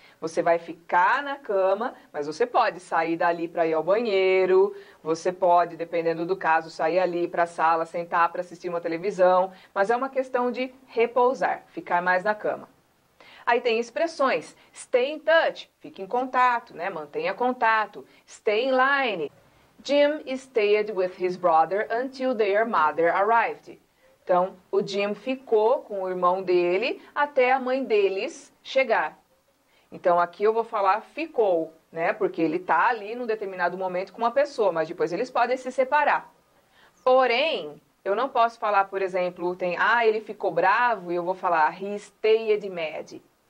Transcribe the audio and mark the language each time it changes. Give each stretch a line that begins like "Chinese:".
Portuguese: Você vai ficar na cama, mas você pode sair dali para ir ao banheiro, você pode, dependendo do caso, sair ali para a sala, sentar para assistir uma televisão, mas é uma questão de repousar, ficar mais na cama. Aí tem expressões:
English: stay in touch,
Portuguese: fique em contato, né? Mantenha contato.
English: Stay in line. Jim stayed with his brother until their mother arrived.
Portuguese: Então, o Jim ficou com o irmão dele até a mãe deles chegar. Então, aqui eu vou falar ficou, né? Porque ele tá ali num determinado momento com uma pessoa, mas depois eles podem se separar. Porém, eu não posso falar, por exemplo, tem, ah, ele ficou bravo, e eu vou falar,
English: he stayed mad.